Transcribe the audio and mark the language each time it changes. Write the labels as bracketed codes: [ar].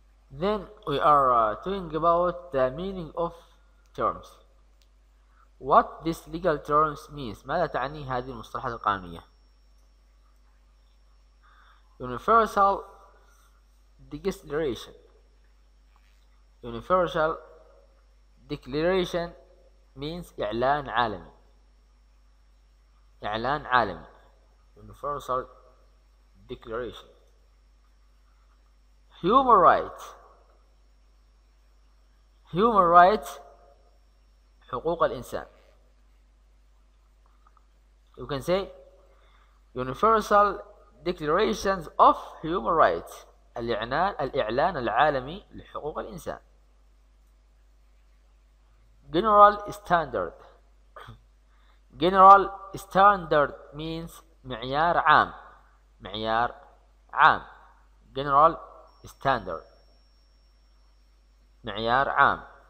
[en] Then we are talking about the meaning of terms. What this legal terms means? [ar] ماذا تعني هذه المصطلحات القانونية؟ Universal Declaration. [en] Universal Declaration means [ar] إعلان عالمي. إعلان عالمي. [en] Universal Declaration. Human rights. Human rights. [ar] حقوق الإنسان. [en] You can say Universal Declarations of Human Rights. [ar] الإعلان العالمي لحقوق الإنسان. [en] General Standard. General Standard means [ar] معيار عام. معيار عام. [en] General Standard. [ar] معيار عام.